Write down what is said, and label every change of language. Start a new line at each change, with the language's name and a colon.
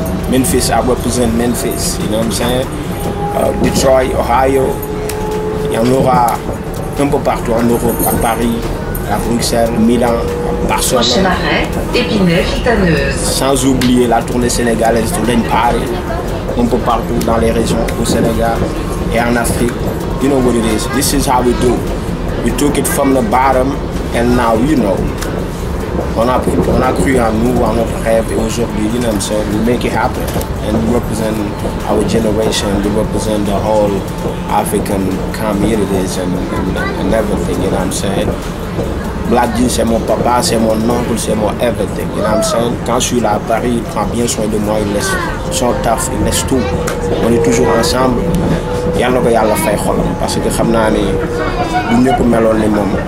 English: Memphis, I represent Memphis, you know what I'm saying? Detroit, Ohio.
French: Il y en aura un peu partout en Europe, à Paris, à Bruxelles, Milan, à Barcelone. Prochain arrêt, Épinay-Fontaineuse. Sans oublier la tournée sénégalaise, Doulain Party. Un peu partout dans les régions, au Sénégal et en Afrique.
English: You know what it is. This is how we do. We took it from the bottom and now you know.
French: On a cru en nous, en notre rêve, et aujourd'hui,
English: you know, so we make it happen. And we represent our generation, we represent the whole African communities and everything, you know what I'm saying?
French: Black G, c'est mon papa, c'est mon oncle, c'est mon everything,
English: you know what I'm saying?
French: Quand je suis là à Paris, il prend bien soin de moi, il laisse son taf, il laisse tout. On est toujours ensemble. Il y a la faille, parce que je sais que nous sommes tous les mêmes.